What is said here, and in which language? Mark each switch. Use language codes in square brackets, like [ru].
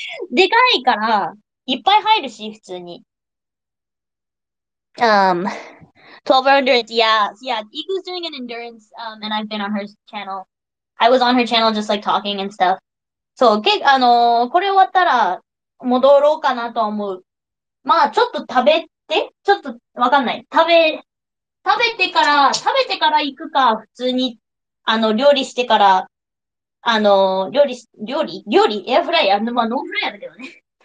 [ja] でかいから、いっぱい入るし、普通に。 [en] 12 hours, yeah. Iku's doing an endurance, and I've been on her channel. I was on her channel just like talking and stuff. [ja] So, これ終わったら、戻ろうかなと思う。まあ、ちょっと食べて、え？ちょっと、わかんない。食べてから行くか、普通に、料理してから、料理エアフライヤーまあ、ノンフライヤーだけどね。